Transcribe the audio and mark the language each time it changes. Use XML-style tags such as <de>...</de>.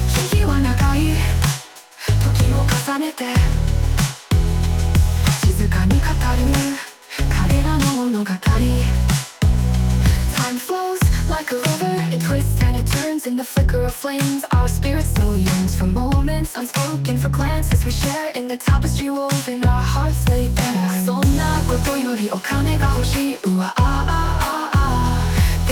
<ja>木々は長い時を重ねて、静かに語る彼らの物語。</ja> <en>Time flows like a river, it twists and it turns in the flicker of flames. Our spirit still yearns for moments unspoken, for glances we share in the tapestry woven, our hearts lay bare.</en> <ja>ことよりお金が欲しい。うわあああああ。</ja>